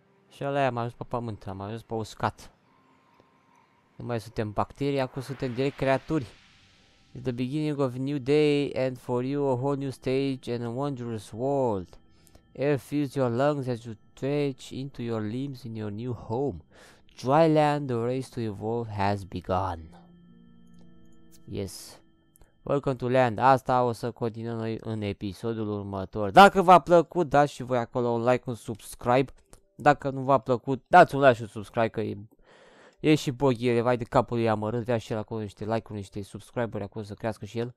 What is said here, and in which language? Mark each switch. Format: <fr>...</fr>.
<ro>Și alea am ajuns pe pământ, am ajuns pe uscat. Nu mai suntem bacterii, acum suntem direct creaturi.</ro> <en>It's the beginning of a new day and for you a whole new stage and a wondrous world. Air fills your lungs as you stretch into your limbs in your new home. Dry land, the race to evolve has begun. Yes. Welcome to land.</en> <ro>Asta o să continuăm noi în episodul următor. Dacă v-a plăcut, dați și voi acolo un like, un subscribe. Dacă nu v-a plăcut, dați un like și un subscribe, că e și boghile, vai de capul lui amărât, vrea și el acolo niște like-uri, niște subscribe-uri acolo să crească și el.</ro>